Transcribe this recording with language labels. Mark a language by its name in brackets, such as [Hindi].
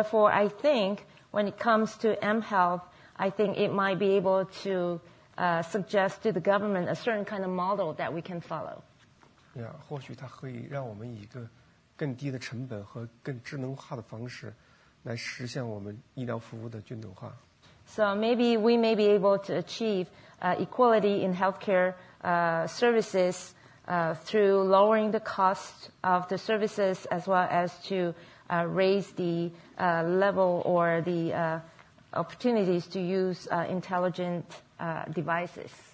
[English] I think when it comes to mHealth, I think it might be able to suggest to the government a certain kind of model that we can follow. [Chinese] 或许它可以让我们以一个更低的成本和更智能化的方式来实现我们医疗服务的均等化。 [English] So maybe we may be able to achieve equality in healthcare services through lowering the cost of the services as well as to raise the level or the opportunities to use intelligent devices.